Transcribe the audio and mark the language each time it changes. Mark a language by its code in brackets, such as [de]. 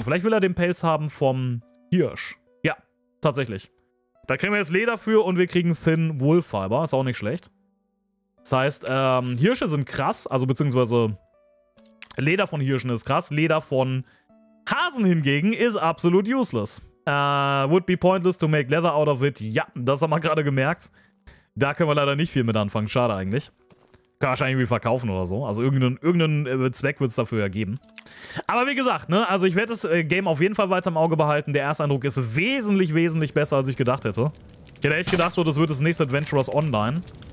[de] Vielleicht will er den Pelz haben vom Hirsch. Ja, tatsächlich. Da kriegen wir jetzt Leder für und wir kriegen Thin Wool Fiber. Ist auch nicht schlecht. Das heißt, Hirsche sind krass, also beziehungsweise Leder von Hirschen ist krass. Leder von Hasen hingegen ist absolut useless. [en] Would be pointless to make leather out of it. [de] Ja, das haben wir gerade gemerkt. Da können wir leider nicht viel mit anfangen. Schade eigentlich. Kann wahrscheinlich irgendwie verkaufen oder so. Also irgendeinen Zweck wird es dafür ergeben. Aber wie gesagt, ne, also ich werde das Game auf jeden Fall weiter im Auge behalten. Der erste Eindruck ist wesentlich besser, als ich gedacht hätte. Ich hätte echt gedacht, so, das wird das nächste Adventurers Online.